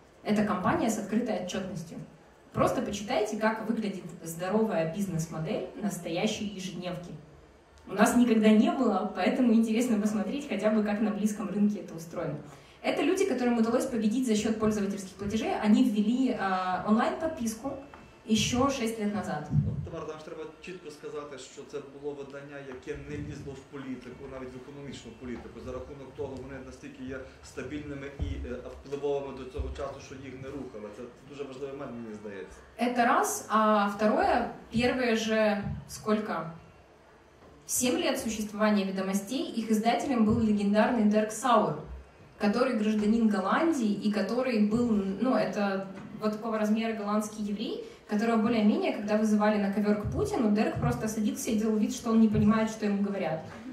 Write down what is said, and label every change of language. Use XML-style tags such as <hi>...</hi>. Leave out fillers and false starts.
<ru>Это компания с открытой отчетностью. Просто почитайте, как выглядит здоровая бизнес-модель настоящей ежедневки. У нас никогда не было, поэтому интересно посмотреть хотя бы, как на близком рынке это устроено. Это люди, которым удалось победить за счет пользовательских платежей. Они ввели онлайн-подписку еще 6 лет назад.</ru> <uk>Тамара, там ж треба чітко сказати, що це було видання, яке не лізло в політику, навіть в економічну політику, за рахунок того, вони настільки є стабільними і впливовими до цього часу, що їх не рухало. Це дуже важливий момент, мені здається.</uk> <ru>Это раз, а второе, первые же сколько? 7 лет существования «Ведомостей» их издателем был легендарный Дерк Сауэр, который гражданин Голландии и который был, ну, это вот такого размера голландский еврей, которого более-менее, когда вызывали на ковер к Путину, Дерк просто садился и делал вид, что он не понимает, что ему говорят.</ru>